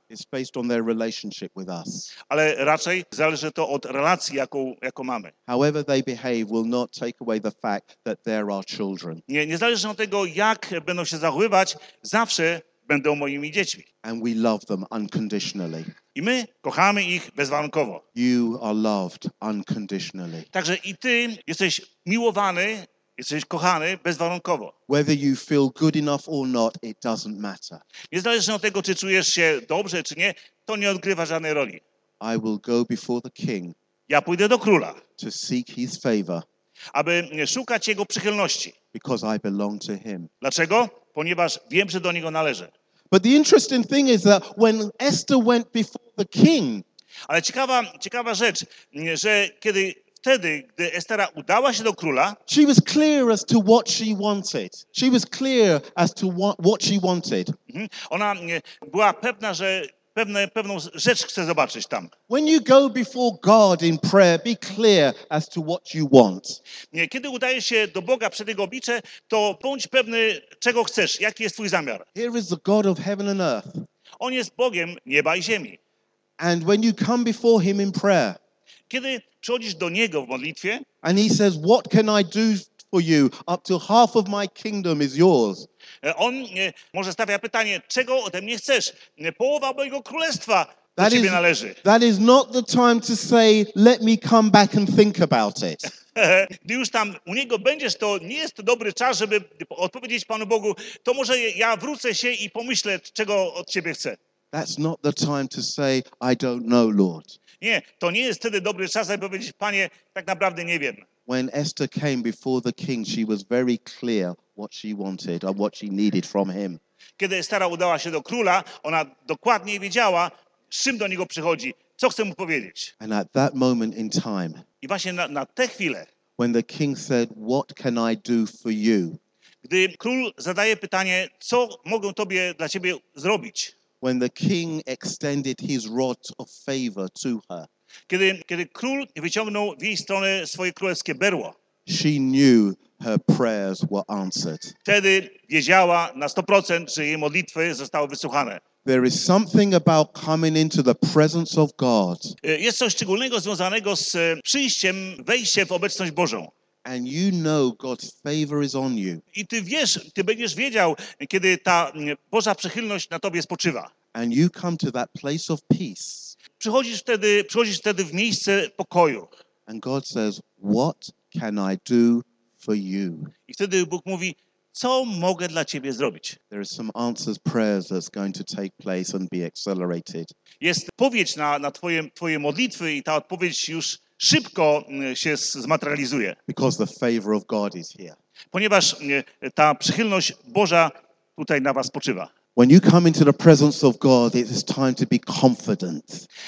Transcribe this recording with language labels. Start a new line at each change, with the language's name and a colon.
English: It's based on their relationship with us.
Polish: Ale raczej zależy to od relacji, jaką mamy.
English: However they behave will not take away the fact that there are children.
Polish: Nie zależy od tego, jak będą się zachowywać, zawsze będą moimi dziećmi.
English: And we love them unconditionally.
Polish: I my kochamy ich bezwarunkowo.
English: You are loved unconditionally.
Polish: Także i ty jesteś miłowany, jesteś kochany bezwarunkowo.
English: Whether you feel good enough or not, it doesn't matter.
Polish: Niezależnie od tego, czy czujesz się dobrze, czy nie, to nie odgrywa żadnej roli.
English: I will go before the king.
Polish: Ja pójdę do króla.
English: To seek his favor.
Polish: Aby szukać jego przychylności.
English: Because I belong to him.
Polish: Dlaczego? Ponieważ wiem, że do niego należę.
English: But the interesting thing is that when Esther went before the king.
Polish: Ale ciekawa rzecz, że gdy Estera udała się do króla,
English: she was clear as to what she wanted. She was clear as to what she wanted.
Polish: Ona była pewna, że pewną rzecz chce zobaczyć tam.
English: When you go before God in prayer, be clear as to what you want.
Polish: Nie, kiedy udajesz się do Boga przed jego oblicze, to bądź pewny, czego chcesz, jaki jest twój zamiar.
English: Here is the God of heaven and earth.
Polish: On jest Bogiem nieba i ziemi.
English: And when you come before him in prayer,
Polish: kiedy przychodzisz do niego w modlitwie,
English: and he says, what can I do for you? Up to half of my kingdom is yours.
Polish: On może stawia pytanie, czego ode mnie chcesz? Połowa mojego królestwa do ciebie należy.
English: That is not the time to say, let me come back and think about it.
Polish: Gdy już tam u niego będziesz, to nie jest to dobry czas, żeby odpowiedzieć Panu Bogu, to może ja wrócę się i pomyślę, czego od ciebie chcę.
English: That's not the time to say, I don't know, Lord.
Polish: Nie, to nie jest wtedy dobry czas, aby powiedzieć, Panie, tak naprawdę nie wiem.
English: When Esther came before the king, she was very clear what she wanted or what she needed from him.
Polish: Kiedy Estera udała się do króla, ona dokładnie wiedziała, z czym do niego przychodzi, co chce mu powiedzieć.
English: And at that moment in time,
Polish: i właśnie na tę chwilę,
English: when the king said, what can I do for you?
Polish: Gdy król zadaje pytanie, co mogę tobie dla ciebie zrobić?
English: When the king extended his rod of favor to her.
Polish: Kiedy król wyciągnął w jej stronę swoje królewskie berło.
English: She knew her prayers were answered.
Polish: Wtedy wiedziała na 100%, że jej modlitwy zostały wysłuchane.
English: There is something about coming into the presence of God.
Polish: Jest coś szczególnego związanego z przyjściem, wejściem w obecność Bożą.
English: And you know God's favor is on you.
Polish: I ty wiesz, ty będziesz wiedział, kiedy ta Boża przychylność na tobie spoczywa.
English: And you come to that place of peace.
Polish: Przychodzisz wtedy w miejsce pokoju.
English: And God says, "What can I do for you?"
Polish: I wtedy Bóg mówi, co mogę dla ciebie zrobić?
English: There is some answers, prayers that's going to take place and be accelerated.
Polish: Jest odpowiedź na twoje modlitwy i ta odpowiedź już szybko się zmaterializuje.
English: Because the favor of God is here.
Polish: Ponieważ ta przychylność Boża tutaj na was spoczywa.
English: When you come into the presence of God, it is time to be confident.